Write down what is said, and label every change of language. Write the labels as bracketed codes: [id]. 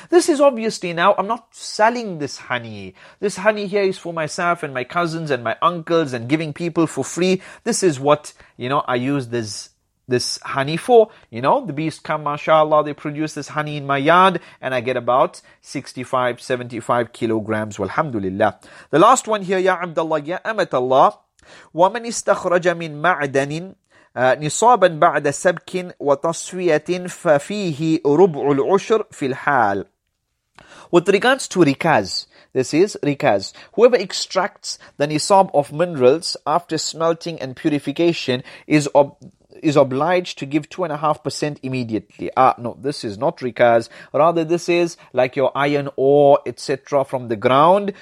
[en] This is obviously now, I'm not selling this honey. This honey here is for myself and my cousins and my uncles and giving people for free. This is what, you know, I use this honey for. You know, the bees come, mashallah, they produce this honey in my yard, and I get about 65, 75 kilograms, walhamdulillah. The last one here, ya Abdullah, ya Amatallah, [ar] وَمَنْ إِسْتَخْرَجَ مِنْ مَعْدَنٍ نِصَابًا بَعْدَ سَبْكٍ وَتَصْفِيَةٍ فَفِيهِ رُبْعُ الْعُشْرِ فِي الْحَالِ. [en] With regards to rikaz, this is rikaz. Whoever extracts the nisab of minerals after smelting and purification is obliged to give 2.5% immediately. This is not rikaz. Rather, this is like your iron ore, etc., from the ground.